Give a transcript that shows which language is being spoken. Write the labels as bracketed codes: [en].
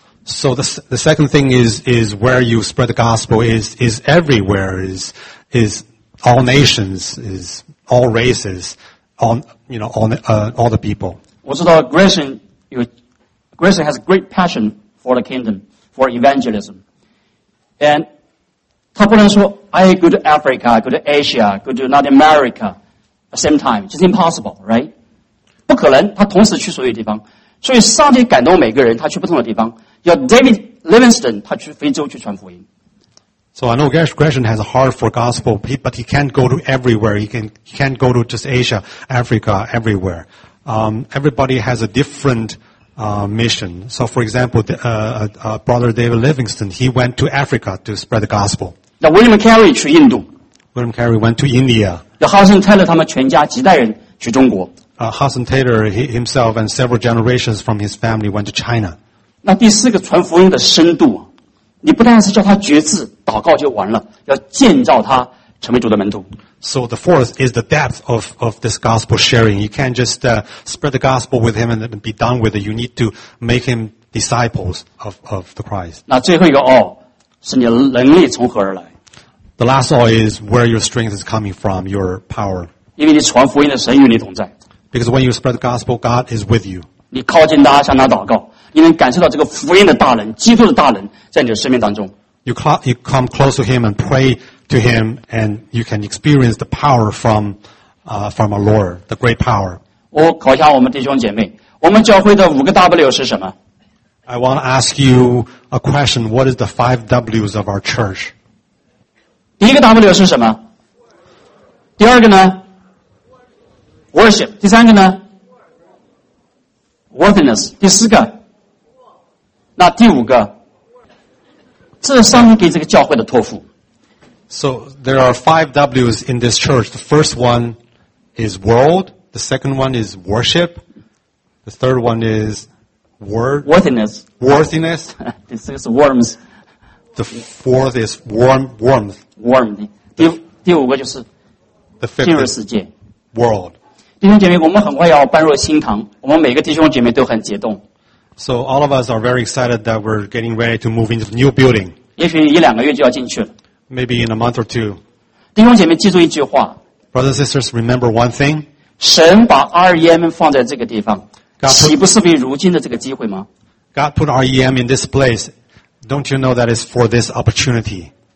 [en] So the second thing is where you spread the gospel is everywhere is all nations is all races on you know on all the people. [zh] 我知道 Gresham 有。 [en] Grayson has a great passion for the kingdom, for evangelism. And, [zh] 他不能说 [en] I go to Africa, I go to Asia, I go to North America, at the same time. It's impossible, right? [zh] 不可能他同时去所有地方。所以上帝感动每个人，他去不同的地方。要 David Livingston 他去非洲去传福音。 [en] So I know Gresham has a heart for gospel, but he can't go to everywhere. He can't go to just Asia, Africa, everywhere. Everybody has a different mission. So for example, Brother David Livingston, he went to Africa to spread the gospel. Now [zh] William Carey 去印度。 [en] William Carey went to India. Now [zh] Hudson Taylor 他们全家几代人去中国。 [en] Hudson Taylor himself and several generations from his family went to China. [zh] 那第四个传福音的深度，你不但是叫他觉知祷告就完了，要建造他成为主的门徒。 [en] So the fourth is the depth of this gospel sharing. You can't just spread the gospel with him and be done with it. You need to make him disciples of the Christ. [zh] 那最后一个哦，是你能力从何而来？ [en] The last all is where your strength is coming from, your power. [zh] 因为你传福音的神与你同在。 [en] Because when you spread the gospel, God is with you. [zh] 你靠近他，向他祷告，你能感受到这个福音的大能，基督的大能在你的生命当中。 [en] You come close to him and pray to him, and you can experience the power from our Lord, the great power. [zh] 我考一下我们弟兄姐妹，我们教会的五个 W 是什么？ [en] I want to ask you a question. What is the five W's of our church? [zh] 第一个 W 是什么？第二个呢？ Worship. 第三个呢？Worthiness. 第四个？那第五个？这是上帝给这个教会的托付。 [en] So there are five W's in this church. The first one is world. The second one is worship. The third one is word. Worthiness. Worthiness. [zh] 第四个是 warmth. [en] The fourth is warmth. [zh] Warmth. 第五个就是 [en] the fifth [zh] 进入世界 [en] world. [zh] 弟兄姐妹，我们很快要搬入新堂，我们每个弟兄姐妹都很激动。 [en] So all of us are very excited that we're getting ready to move into the new building. [zh] 也许一两个月就要进去了。 [en] Maybe in a month or two. [zh] 弟兄姐妹记住一句话。 [en] Brothers and sisters, remember one thing. [zh] 神把 REM 放在这个地方，岂不是为如今的这个机会吗？ [en] God put REM in this place. Don't you know that it's for this opportunity?